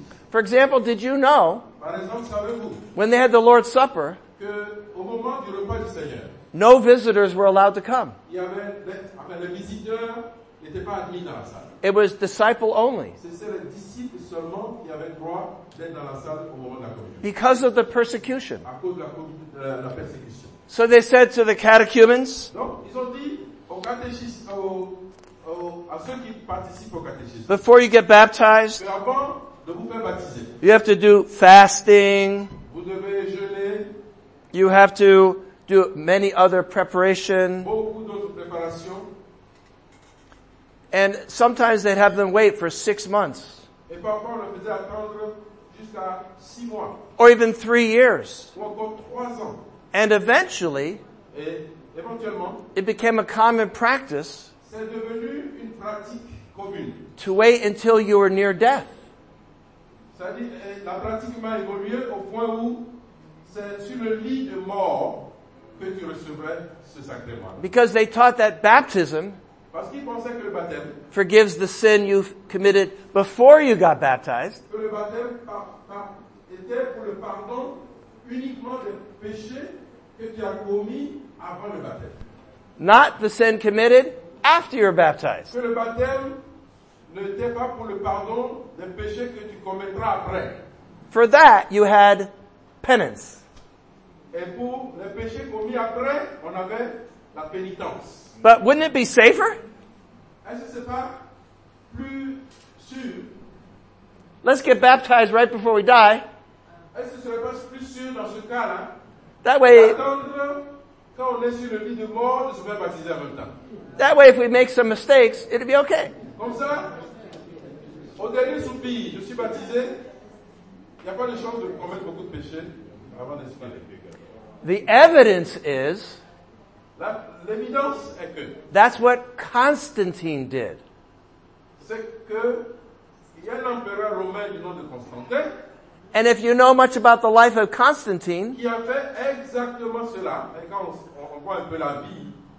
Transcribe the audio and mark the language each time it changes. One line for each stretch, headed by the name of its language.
English: For example, did you know, when they had the Lord's Supper,
French: que, au moment du repas du Seigneur,
English: no visitors were allowed to come.
French: Il y avait, enfin, les visiteurs n'étaient pas admis dans la salle.
English: It was disciple only.
French: C'était les disciples seulement qui avaient droit d'être dans la salle au moment de la communion.
English: Because of the persecution.
French: À cause de la persécution.
English: So they said to the catechumens.
French: Donc, ils ont dit aux catéchistes, à ceux qui participent au catéchisme.
English: Before you get baptized,
French: mais avant de vous faire baptiser,
English: you have to do fasting.
French: Vous devez jeûner.
English: You have to do many other preparation.
French: Beaucoup d'autres préparations.
English: And sometimes they'd have them wait for 6 months.
French: Et parfois on le faisait attendre jusqu'à 6 mois.
English: Or even 3 years.
French: Ou encore 3 ans.
English: And eventually,
French: et éventuellement,
English: it became a common practice,
French: c'est devenu une pratique commune,
English: to wait until you were near death.
French: C'est-à-dire, la pratique m'a évolué au point où c'est sur le lit de mort que tu recevrais ce sacrement.
English: Because they taught that baptism,
French: parce qu'ils pensaient que le baptême,
English: forgives the sin you've committed before you got baptized.
French: Que le baptême était pour le pardon uniquement des péchés que tu as commis avant le baptême.
English: Not the sin committed after you're baptized.
French: Que le baptême n'était pas pour le pardon des péchés que tu commettras après.
English: For that, you had penance.
French: Et pour les péchés commis après, on avait la pénitence.
English: But wouldn't it be safer?
French: Est-ce que c'est pas plus sûr?
English: Let's get baptized right before we die.
French: Est-ce que ce serait pas plus sûr dans ce cas-là?
English: That way,
French: attendre quand on est sur le lit de mort de se faire baptiser en même temps.
English: That way, if we make some mistakes, it'll be okay.
French: Comme ça, au dernier soupir, je suis baptisé. Il n'y a pas de chance de commettre beaucoup de péchés avant d'être baptisé.
English: The evidence is,
French: l'évidence est que,
English: that's what Constantine did.
French: C'est que, il y a l'empereur romain du nom de Constantin.
English: And if you know much about the life of Constantine,
French: qui a fait exactement cela. Et quand on voit un peu la vie